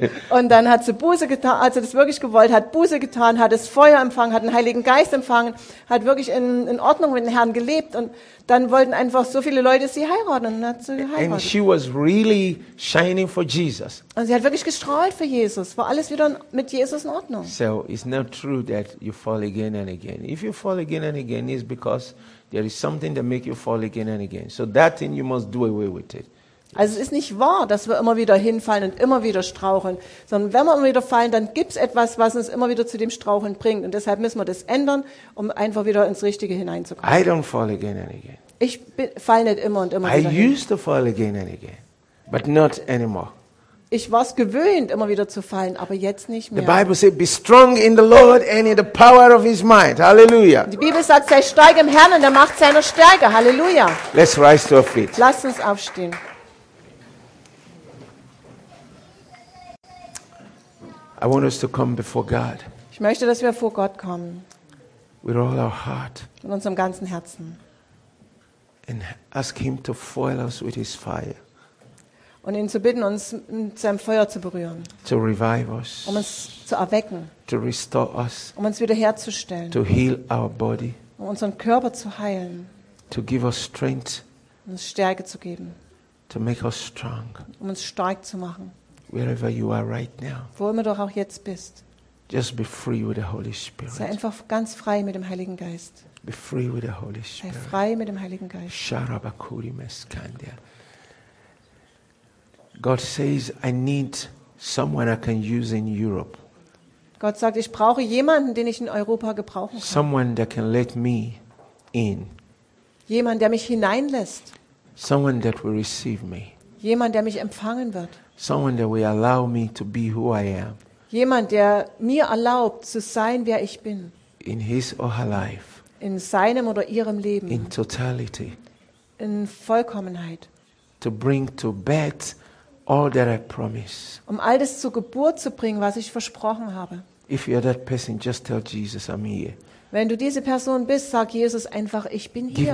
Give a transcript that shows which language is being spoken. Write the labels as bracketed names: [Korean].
[German] Und dann hat sie Buße getan, als sie das wirklich gewollt hat, Buße getan, hat das Feuer empfangen, hat den Heiligen Geist empfangen, hat wirklich in Ordnung mit dem Herrn gelebt und dann wollten einfach so viele Leute sie heiraten und hat sie geheiratet. [English] And she was really shining for Jesus. [German] Und sie hat wirklich gestrahlt für Jesus, war alles wieder mit Jesus in Ordnung. [English] So it's not true that you fall again and again. If you fall again and again, it's because there is something that makes you fall again and again. So that thing you must do away with it. [German] Also es ist nicht wahr, dass wir immer wieder hinfallen und immer wieder straucheln, sondern wenn wir immer wieder fallen, dann gibt es etwas, was uns immer wieder zu dem Straucheln bringt. Und deshalb müssen wir das ändern, um einfach wieder ins Richtige hineinzukommen. [English] I don't fall again and again. [German] Ich fall nicht immer und immer wieder [English] hin. I used to fall again and again, but not anymore. [German] Ich war es gewöhnt, immer wieder zu fallen, aber jetzt nicht mehr. [English] The Bible says, be strong in the Lord and in the power of his might. Hallelujah. [German] Die Bibel sagt, sei stark im Herrn und der Macht seiner Stärke. Halleluja. [English] Let's rise to our feet. [German] Lass uns aufstehen. [English] I want us to come before God. [German] Ich möchte, dass wir vor Gott kommen. [English] With all our heart. [German] Mit unserem ganzen Herzen. [English] And ask him to fill us with his fire. [German] Und ihn zu bitten, uns mit seinem Feuer zu berühren. [English] To revive us. [German] Um uns zu erwecken. [English] To restore us. [German] Um uns wiederherzustellen. [English] To heal our body. [German] Um unseren Körper zu heilen. [English] To give us strength. [German] Um uns Stärke zu geben. [English] To make us strong. [German] Um uns stark zu machen. [English] Wherever you are right now. [German] Wo immer du auch jetzt bist. [English] Just be free with the Holy Spirit. [German] Sei einfach ganz frei mit dem Heiligen Geist. [English] Be free with the Holy Spirit. [German] Sei frei mit dem Heiligen Geist. Sharabakuri meskandia. [English] God says, I need someone I can use in Europe. [German] Gott sagt, ich brauche jemanden, den ich in Europa gebrauchen kann. [English] Someone that can let me in. [German] Jemand, der mich hineinlässt. [English] Someone that will receive me. [German] Jemand, der mich empfangen wird. [English] Someone that will allow me to be who I am. [German] Jemand, der mir erlaubt zu sein, wer ich bin. [English] In his or her life. [German] In seinem oder ihrem Leben. [English] In totality. [German] In Vollkommenheit. [English] To bring to birth all that I promise. [German] Um all das zur Geburt zu bringen, was ich versprochen habe. [English] If you are that person, just tell Jesus, I'm here. [German] Wenn du diese Person bist, sag Jesus einfach, ich bin hier.